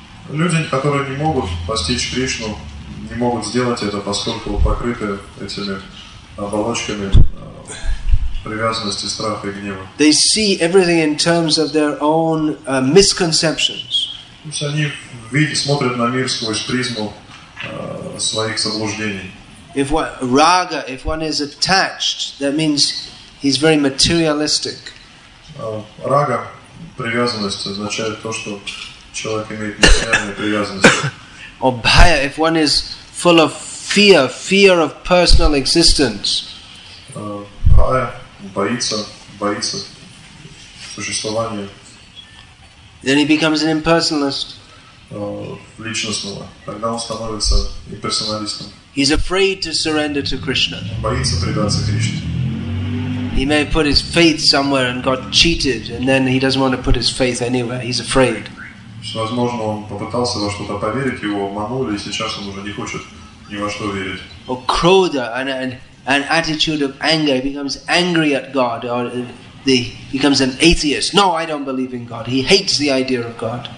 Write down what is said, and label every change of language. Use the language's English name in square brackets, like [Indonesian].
[Russian] Люди, которые не могут постичь Кришну, не могут сделать это, поскольку покрыты этими оболочками привязанности, страха и гнева. [English] They see everything in terms of their own misconceptions. [Russian] То есть они смотрят на мир сквозь призму своих заблуждений. [English] If one, raga, if one is attached, that means he's very materialistic. [Russian] Рага, привязанность, означает то, что человек имеет материальные привязанности. [English] Or bhaya, if one is full of fear, fear of personal existence. [Russian] Bhaya, боится существования. [English] Then he becomes an impersonalist. [Russian] Личностного. Тогда он становится имперсоналистом. [English] He's afraid to surrender to Krishna. [Russian] Он боится предаться Кришне. [English] He may put his faith somewhere and got cheated, and then he doesn't want to put his faith anywhere. He's afraid. [Russian] Возможно, он попытался во что-то поверить, его обманули, и сейчас он уже не хочет ни во что верить. [English] Or krodha, an attitude of anger. He becomes angry at God, or he becomes an atheist. No, I don't believe in God. He hates the idea of God.